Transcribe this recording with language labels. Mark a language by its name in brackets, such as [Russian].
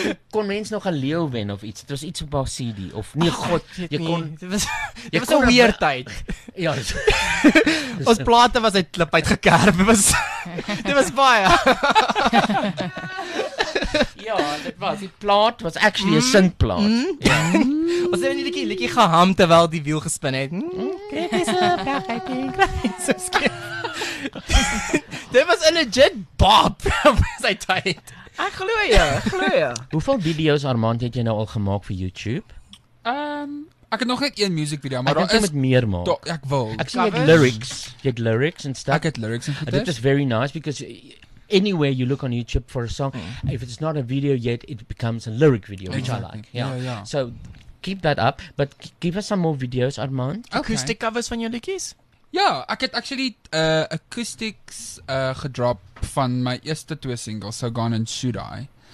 [Afrikaans] Kon mens nog 'n leeu wen of iets? Dit was iets op 'n CD of nee, god, jy kon dit was 'n weer tyd. Ja. Ons plate was uit klip uitgekerf. Dit was baie. Ja, dit was die plaat was actually 'n sintplaat. Ons het net 'n liedjie geham terwyl die wiel gespin het. Kreefies op reg uit die kruis. Dit was 'n legit bop was hy tyd. Ek glo jou, Hoeveel video's, Armand, het jy nou al gemaak vir YouTube? Ek het nog net een music video, maar daar is... Ek moet meer maak. Ek wil. Ek sien jy lyrics. Jy het lyrics en stuff. Ek het lyrics en [English] dit is very nice, because anywhere you look on YouTube for a song, if it's not a video yet, it becomes a lyric video, which I like. Yeah. So, keep that up, but give us some more videos, Armand. [Afrikaans] Okay. Acoustic covers van jou liedjies? Ja, ek het actually acoustics gedrop van my eerste 2 singles, So Gone and Should I.